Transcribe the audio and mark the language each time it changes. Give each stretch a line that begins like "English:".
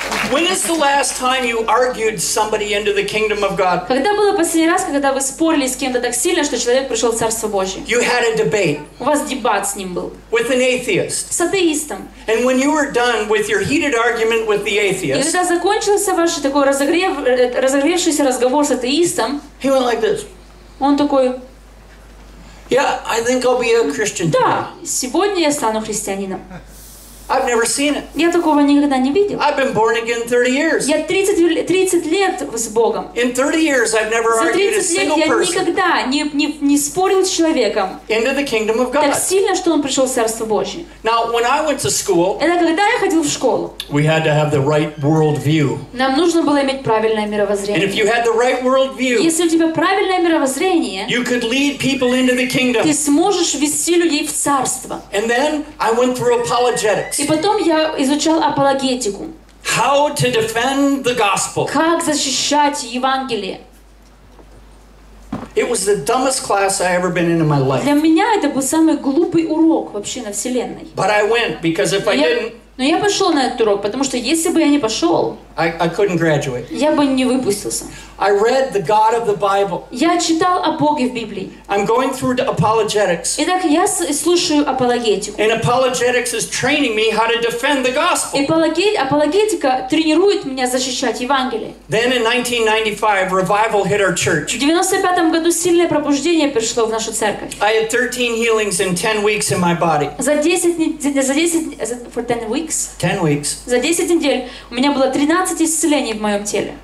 English: When is the last time you argued somebody into the kingdom of God?
Russian: Когда было последний раз, когда вы спорили с кем-то так сильно, что человек пришел в Царство Божье?
English: You had a debate.
Russian: У вас дебат с ним был.
English: With an atheist.
Russian: С атеистом.
English: And when you were done with your heated argument with the atheist.
Russian: И когда закончился ваш такой разогревшийся разговор с атеистом?
English: He went like this.
Russian: Он такой:
English: Yeah, I think I'll be a Christian today.
Russian: Да, сегодня я стану христианином.
English: I've never seen it.
Russian: Я такого никогда не видел.
English: I've been born again 30 years.
Russian: Я 30 лет с Богом.
English: In 30 years I've never argued with a single person.
Russian: За 30 лет я никогда не спорил с человеком.
English: Into the kingdom of God.
Russian: Так сильно, что он пришел в Царство Божье.
English: Now when I went to school.
Russian: Это когда я ходил в школу.
English: We had to have the right world view.
Russian: Нам нужно было иметь правильное мировоззрение.
English: And if you had the right world view.
Russian: Если у тебя правильное мировоззрение.
English: You could lead people into the kingdom.
Russian: Ты сможешь ввести людей в Царство.
English: And then I went through apologetics.
Russian: И потом я изучал апологетику.
English: How to defend the gospel.
Russian: Как защищать Евангелие.
English: It was the dumbest class I ever been in my life.
Russian: Для меня это был самый глупый урок вообще на Вселенной.
English: But I went because if I didn't.
Russian: Но я пошел на этот урок, потому что если бы я не пошел,
English: I couldn't graduate.
Russian: Я бы не выпустился.
English: I read the God of the Bible.
Russian: Я читал о Боге в Библии.
English: I'm going through the apologetics.
Russian: Итак, я слушаю апологетику.
English: And apologetics is training me how to defend the gospel.
Russian: И апологетика тренирует меня защищать Евангелие.
English: Then in 1995, revival hit our church.
Russian: В 95 году сильное пробуждение пришло в нашу церковь.
English: I had 13 healings in 10 weeks in my body.
Russian: За 10 недель у меня было 13 исцелений в моем теле.